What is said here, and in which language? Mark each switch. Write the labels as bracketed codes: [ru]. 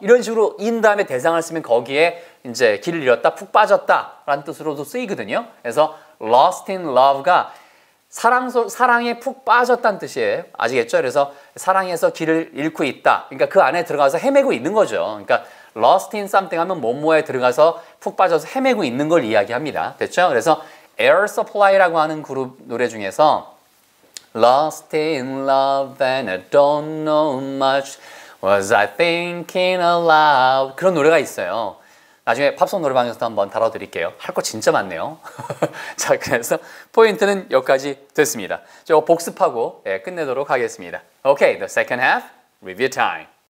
[ko] 이런 식으로 in 다음에 대상을 쓰면 거기에 이제 길을 잃었다, 푹 빠졌다 라는 뜻으로도 쓰이거든요. 그래서 [en] Lost in love [ko] 가 사랑에 푹 빠졌다는 뜻이에요. 아시겠죠? 그래서 사랑에서 길을 잃고 있다. 그러니까 그 안에 들어가서 헤매고 있는 거죠. 그러니까 [en] lost in something [ko] 하면 뭐뭐에 들어가서 푹 빠져서 헤매고 있는 걸 이야기합니다. 됐죠? 그래서 Air Supply라고 하는 그룹 노래 중에서 [en] Lost in love and I don't know much was I thinking aloud [ko] 그런 노래가 있어요. 나중에 팝송 노래방에서도 한번 다뤄드릴게요. 할 거 진짜 많네요. 자, 그래서 포인트는 여기까지 됐습니다. 저 복습하고 예, 끝내도록 하겠습니다. [en] Okay, the second half, review time.